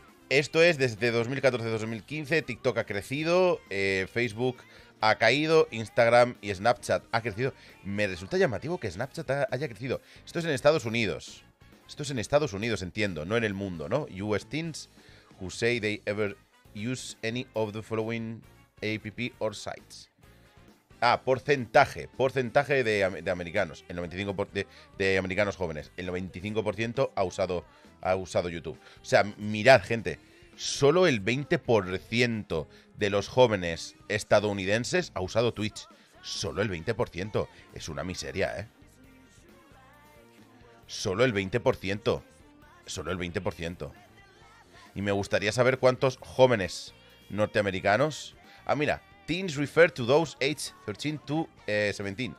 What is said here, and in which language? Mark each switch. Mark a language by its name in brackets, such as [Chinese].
[Spanish] Esto es desde 2014-2015. TikTok ha crecido. Facebook ha caído. Instagram y Snapchat ha crecido. Me resulta llamativo que Snapchat haya crecido. Esto es en Estados Unidos. Esto es en Estados Unidos, entiendo, no en el mundo, ¿no? [English] US teens who say they ever use any of the following app or sites. [Spanish] Ah, porcentaje de americanos. El 95% de americanos jóvenes. El 95% ha usado YouTube. O sea, mirad, gente. Solo el 20% de los jóvenes estadounidenses ha usado Twitch. Solo el 20%. Es una miseria, ¿eh? Solo el 20%. Solo el 20%. Y me gustaría saber cuántos jóvenes norteamericanos. Ah, mira. [English] Teens refer to those age 13 to 17.